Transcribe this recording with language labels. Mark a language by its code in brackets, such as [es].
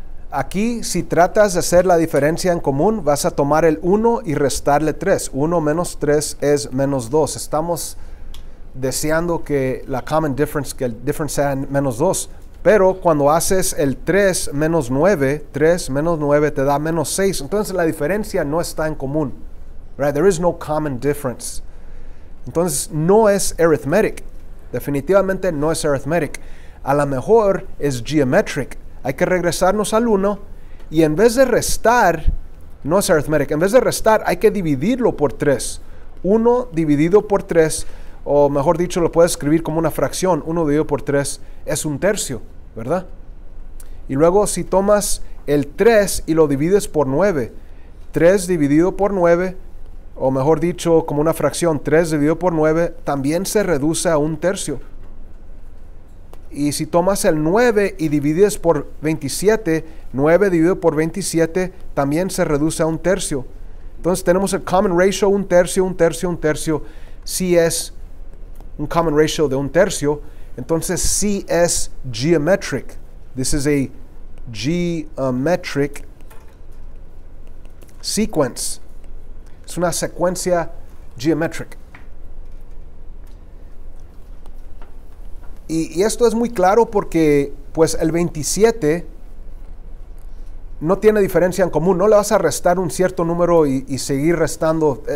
[es] Aquí, si tratas de hacer la diferencia en común, vas a tomar el 1 y restarle 3. 1 menos 3 es menos 2. Estamos deseando que la common difference, que el difference sea menos 2. Pero cuando haces el 3 menos 9, 3 menos 9 te da menos 6. Entonces la diferencia no está en común. [en] Right, there is no common difference. [es] Entonces, no es arithmetic. Definitivamente no es arithmetic. A lo mejor es geometric. Hay que regresarnos al 1. Y en vez de restar, no es arithmetic. En vez de restar, hay que dividirlo por 3. 1 dividido por 3, o mejor dicho, lo puedes escribir como una fracción. 1 dividido por 3 es un tercio, ¿verdad? Y luego, si tomas el 3 y lo divides por 9, 3 dividido por 9, o mejor dicho, como una fracción, 3 dividido por 9, también se reduce a un tercio. Y si tomas el 9 y divides por 27, 9 dividido por 27 también se reduce a un tercio. Entonces tenemos el common ratio, un tercio, un tercio, un tercio. Si es un common ratio de un tercio, entonces si es geometric. [en] This is a geometric sequence. [es] Es una secuencia geometric. Y esto es muy claro porque pues el 27 no tiene diferencia en común. No le vas a restar un cierto número y seguir restando.